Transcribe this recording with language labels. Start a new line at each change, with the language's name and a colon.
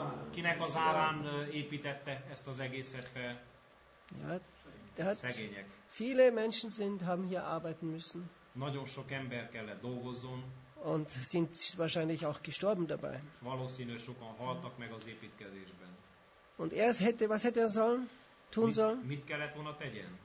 Hungarian: Kinek az árán építette ezt az egészet? Ja, szegények.
German: Viele Menschen haben hier arbeiten müssen.
Hungarian: Nagyon sok ember kellett dolgozzon.
German: Und sind wahrscheinlich auch gestorben dabei.
Hungarian: Valószínű, sokan haltak meg az építkezésben.
German: Und er hätte, was hätte er sollen, tun sollen?
Hungarian: Mit kellett volna tegyen?